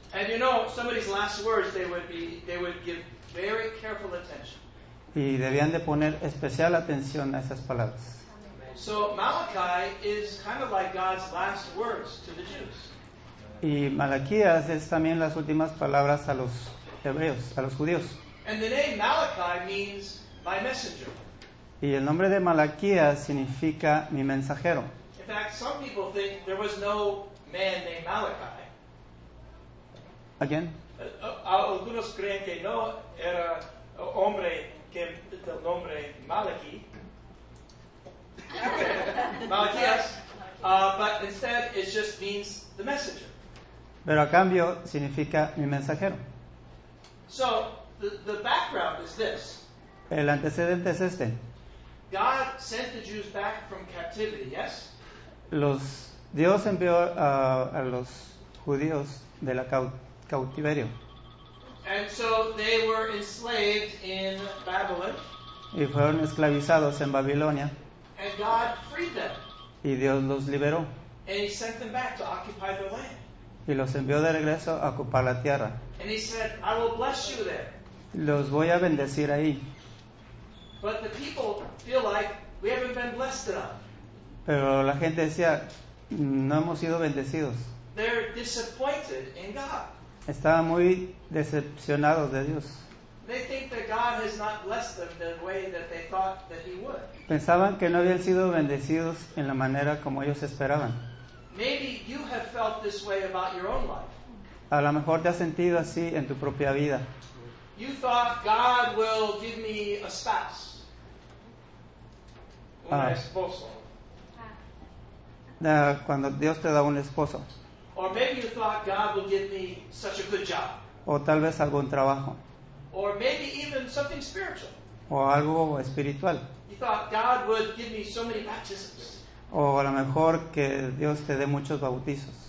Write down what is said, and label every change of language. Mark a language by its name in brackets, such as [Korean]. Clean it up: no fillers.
[English] And you know, somebody's last words, they would give very careful attention. [Spanish] Y debían de poner especial atención a esas palabras. [English] So Malachi is kind of like God's last words to the Jews. [Spanish] Y Malaquías es también las últimas palabras a los hebreos, a los judíos. [English] And the name Malachi means my messenger. [Spanish] Y el nombre de Malaquías significa mi mensajero. [English] In fact, some people think there was no man named Malachi. Again? [Spanish] Algunos creen que no era hombre que del nombre Malachi. [English] Malaquías. But instead, it just means the messenger. [Spanish] Pero a cambio, significa mi mensajero. [English] So, the background is this. [Spanish] El antecedente es este. [English] God sent the Jews back from captivity, yes? [Spanish] Dios envió a los judíos de la cautiverio. [English] And so they were enslaved in Babylon. [Spanish] Y fueron esclavizados en Babilonia. [English] And God freed them. [Spanish] Y Dios los liberó. [English] And he sent them back to occupy the land. [Spanish] Y los envió de regreso a ocupar la tierra. [English] And he said, I will bless you there. [Spanish] Los voy a bendecir ahí. [English] But the people feel like we haven't been blessed enough. [Spanish] Pero la gente decía, no hemos sido bendecidos. [English] They're disappointed in God. [Spanish] Estaban muy decepcionados de Dios. [English] They think that God has not blessed them the way that they thought that he would. [Spanish] Pensaban que no habían sido bendecidos en la manera como ellos esperaban. [English] Maybe you have felt this way about your own life. [Spanish] A lo mejor te has sentido así en tu propia vida. [English] You thought God will give me a spouse. [Spanish] Esposo. Cuando Dios te da un esposo. [English] Or maybe you thought God will give me such a good job. [Spanish] O tal vez algún trabajo. [English] Or maybe even something spiritual. [Spanish] O algo espiritual. [English] You thought God would give me so many baptisms. [Spanish] O a lo mejor que Dios te dé muchos bautizos.